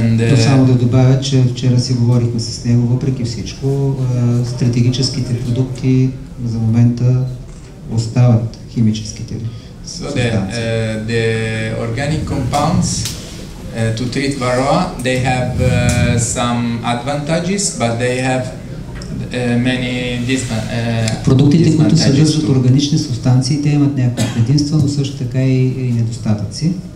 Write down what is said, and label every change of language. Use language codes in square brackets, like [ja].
[bg] То само да добавя, че вчера си говорихме с него, въпреки всичко, стратегическите продукти за момента остават химическите. [en] So the organic compounds to treat varroa, they have some advantages, but they have many disadvantages. [bg] Продуктите, които съдържат органични субстанции, те имат някакво предимство, но също така и недостатъци.